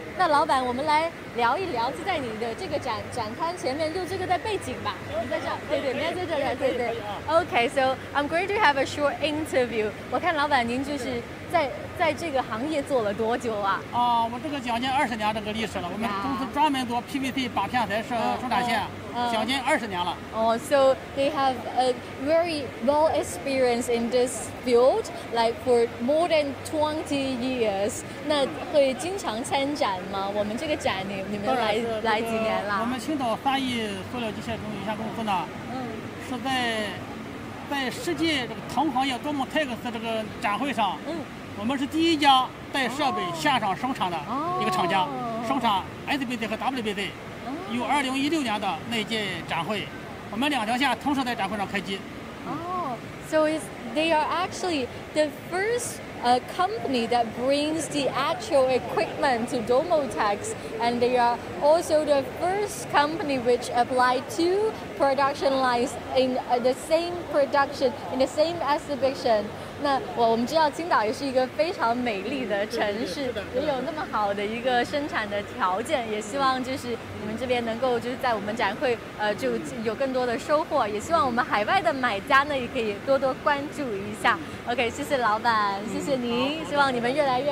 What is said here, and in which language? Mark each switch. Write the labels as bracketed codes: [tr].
[zh] 那老板，我们来聊一聊，就在你的这个展摊前面，就这个在背景吧。在这里。 [en] OK, so I'm going to have a short interview. [zh] 我看老板您就是在这个行业做了多久啊？哦，我这个将近20年这个历史了。我们公司专门做 PVC 靶片材是生产线，将近20年了。 [en] 哦、so they have a very well experience in this field, like for more than 20 years. [zh] 那会经常参展吗？我们这个展你们来几年了？我们QINGDAO SANYI塑料机械中有限公司呢，是在世界这个同行业多姆泰克斯这个展会上。我们是第一家带设备线上生产的一个厂家，生产 SBC 和 WBC。有2016年的那届展会，我们两条线同时在展会上开机。 [en] So they are actually the first company that brings the actual equipment to Domotex, and they are also the first company which applied two production lines in the same production in the same exhibition. [zh] 我们知道QINGDAO也是一个非常美丽的城市，也有那么好的一个生产的条件，也希望就是你们这边能够就是在我们展会就有更多的收获，也希望我们海外的买家呢也可以多多关注一下。 OK, 谢谢老板，谢谢您，希望你们越来越